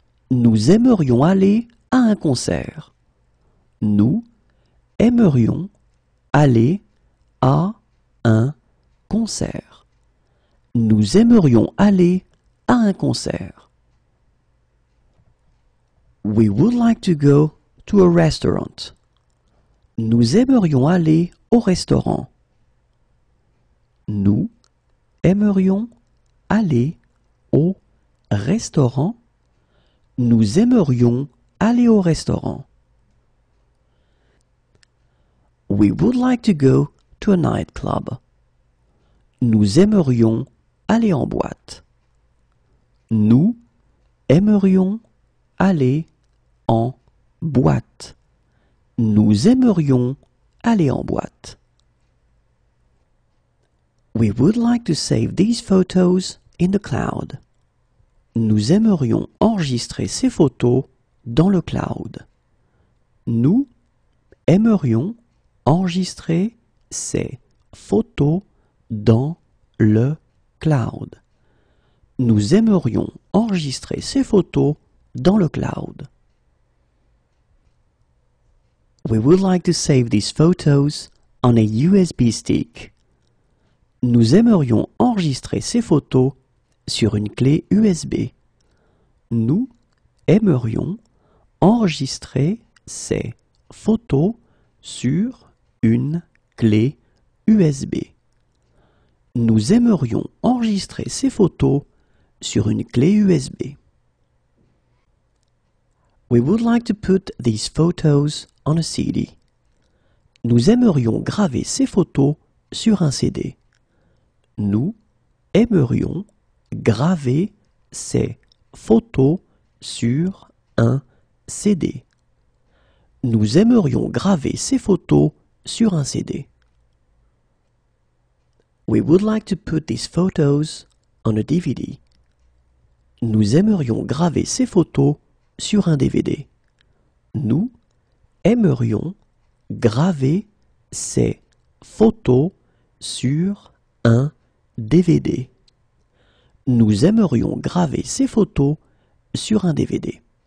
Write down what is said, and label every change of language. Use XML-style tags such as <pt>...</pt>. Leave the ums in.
<fr>Nous aimerions aller à un concert. Nous aimerions aller à un concert. Nous aimerions aller à un concert.</fr> <en>We would like to go to a restaurant.</en> <fr>Nous aimerions aller au restaurant nous aimerions aller au restaurant. Nous aimerions aller au restaurant.</fr> <en>We would like to go to a nightclub.</en> <fr>Nous aimerions aller en boîte. Nous aimerions aller en boîte. Nous aimerions aller en boîte.</fr> <en>We would like to save these photos in the cloud.</en> <fr>Nous aimerions enregistrer ces photos dans le cloud. Nous aimerions enregistrer ces photos dans le cloud. Nous aimerions enregistrer ces photos dans le cloud.</fr> <en>We would like to save these photos on a USB stick.</en> <fr>Nous aimerions enregistrer ces photos sur une clé USB. Nous aimerions enregistrer ces photos sur une clé USB. Nous aimerions enregistrer ces photos sur une clé USB.</fr> <en>We would like to put these photos on a CD.</en> <fr>Nous aimerions graver ces photos sur un CD nous aimerions graver ces photos sur un CD. Nous aimerions graver ces photos sur un CD.</fr> <en>We would like to put these photos on a DVD.</en> <fr>Nous aimerions graver ces photos sur un DVD. Nous aimerions graver ces photos sur un DVD. Nous aimerions graver ces photos sur un DVD.</fr>